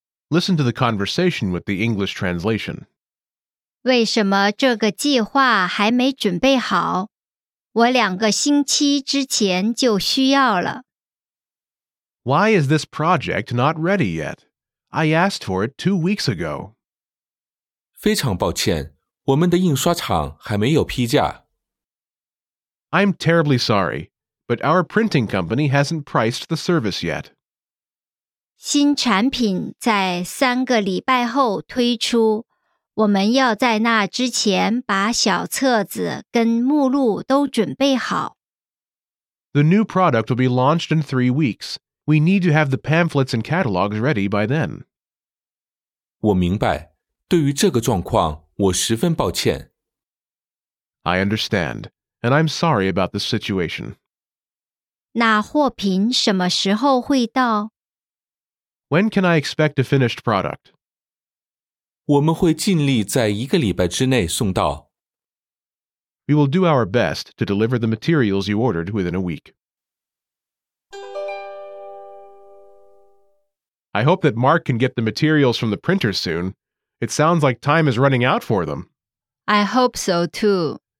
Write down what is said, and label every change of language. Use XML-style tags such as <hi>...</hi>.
<en>Listen to the conversation with the English translation.</en> <zh>为什么这个计划还没准备好？我两个星期之前就需要了。</zh> <en>Why is this project not ready yet? I asked for it 2 weeks ago.</en> <zh>非常抱歉，我们的印刷厂还没有批假。</zh> <en>I'm terribly sorry, but our printing company hasn't priced the service yet.</en> <zh>新产品在三个礼拜后推出，我们要在那之前把小册子跟目录都准备好。</zh> <en>The new product will be launched in 3 weeks. We need to have the pamphlets and catalogs ready by then.</en> <zh>我明白。对于这个状况，我十分抱歉。</zh> <en>I understand, and I'm sorry about this situation.</en> <zh>那货品什么时候会到？</zh> <en>When can I expect a finished product?</en> <zh>我们会尽力在一个礼拜之内送到。</zh> <en>We will do our best to deliver the materials you ordered within a week. I hope that Mark can get the materials from the printer soon. It sounds like time is running out for them. I hope so, too.</en>